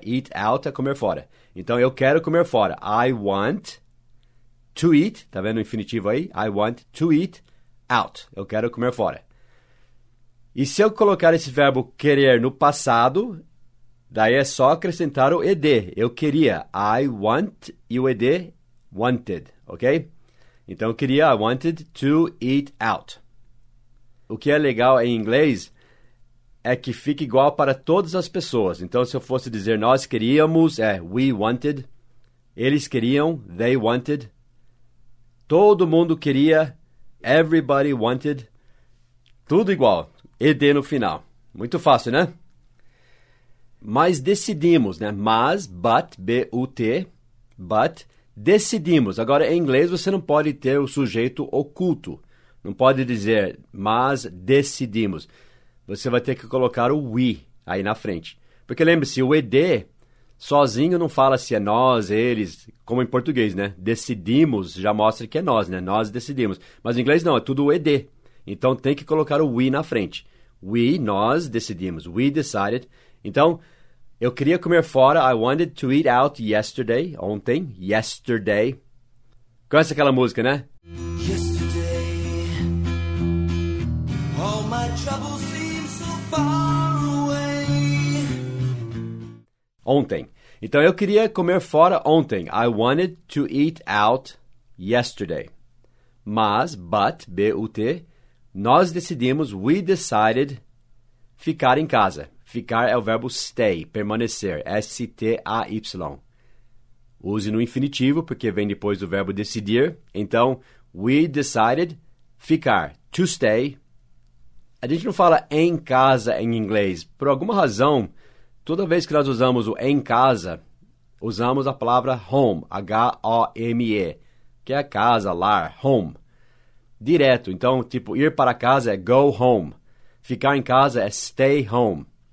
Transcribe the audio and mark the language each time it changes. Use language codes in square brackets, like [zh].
[pt] Eat out é comer fora. Então, eu quero comer fora, [en] I want to eat, [pt] tá vendo o infinitivo aí? [en] I want to eat out, [pt] eu quero comer fora. E se eu colocar esse verbo querer no passado, daí é só acrescentar o ed, eu queria, [en] I want, [pt] e o ed, [en] wanted, [pt] ok? Então, eu queria, [en] I wanted to eat out. [pt] O que é legal em inglês é que fica igual para todas as pessoas. Então, se eu fosse dizer nós queríamos, é [en] we wanted. [pt] Eles queriam, [en] they wanted. [pt] Todo mundo queria, [en] everybody wanted. [pt] Tudo igual, ed no final. Muito fácil, né? Mas decidimos, né? Mas, [en] but, [pt] B-U-T, but, decidimos. Agora, em inglês, você não pode ter o sujeito oculto. Não pode dizer, mas decidimos. Você vai ter que colocar o we aí na frente. Porque lembre-se, o ed sozinho não fala se é nós, eles, como em português, né? Decidimos já mostra que é nós, né? Nós decidimos. Mas em inglês não, é tudo o ed. Então, tem que colocar o we na frente. [en] We, [pt] nós decidimos. [en] We decided. [pt] Então, eu queria comer fora, [en] I wanted to eat out yesterday, [pt] ontem, [en] yesterday. [pt] Conhece aquela música, né? [en] Yesterday, all my troubles seem so far away. [pt] Ontem. Então, eu queria comer fora ontem, [en] I wanted to eat out yesterday. [pt] Mas, [en] but, [pt] B-U-T, nós decidimos, [en] we decided, [pt] ficar em casa. Ficar é o verbo stay, permanecer, S-T-A-Y. Use no infinitivo, porque vem depois do verbo decidir. Então, [en] we decided [pt] ficar, [en] to stay. [pt] A gente não fala em casa em inglês. Por alguma razão, toda vez que nós usamos o em casa, usamos a palavra home, H-O-M-E, que é casa, lar, home. Direto, então, tipo, ir para casa é [en] go home. [pt] Ficar em casa é [en] stay home.